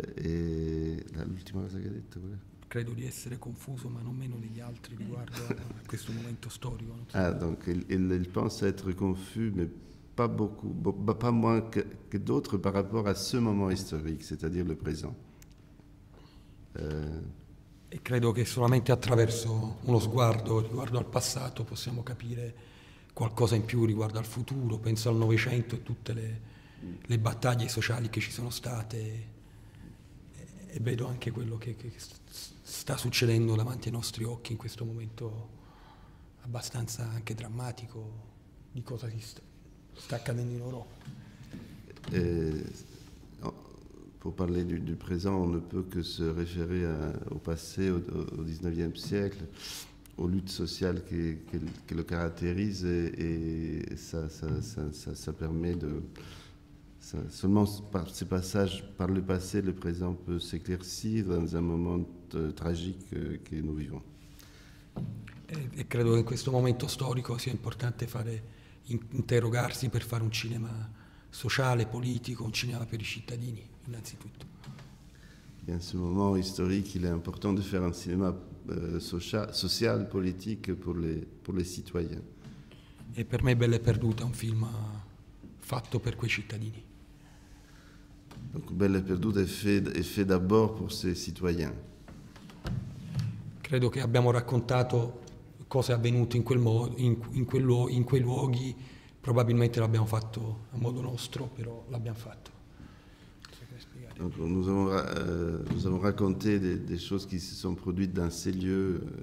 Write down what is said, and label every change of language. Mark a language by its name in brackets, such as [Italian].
[Italian] Et l'ultima cosa che hai detto, quella? Credo di essere confuso, ma non meno degli altri riguardo a questo momento storico. [French] Ah, donc il pense être confus, mais pas beaucoup, pas moins que d'autres par rapport à ce moment historique, c'est-à-dire le présent. [Italian] E credo che solamente attraverso uno sguardo riguardo al passato possiamo capire qualcosa in più riguardo al futuro. Penso al Novecento e tutte le battaglie sociali che ci sono state e vedo anche quello che sta succedendo davanti ai nostri occhi in questo momento abbastanza anche drammatico di cosa si sta accadendo in Europa. [French] Pour parler du présent, on ne peut que se référer au passé, au 19e siècle, aux luttes sociales qui le caractérisent, et ça permet de... seulement par ces passages, par le passé, le présent peut s'éclaircir dans un moment tragique que nous vivons. Et je crois que dans ce moment historique, c'est important de interrogarsi pour faire un cinéma social, politique, un cinéma pour les citadini. [Italian] Innanzitutto. [French] Et en ce moment historique, il est important de faire un cinéma social, politique pour les citoyens. Et pour moi, Belle Perdue, un film fait pour [Italian] quei cittadini. [French] Donc, Belle Perdue est fait d'abord pour ces citoyens. [Italian] Credo que abbiamo raccontato cosa è avvenuto in quei luoghi. Probabilmente l'abbiamo fatto a modo nostro, però l'abbiamo fatto. [French] Donc, nous avons raconté des choses qui se sont produites dans ces lieux.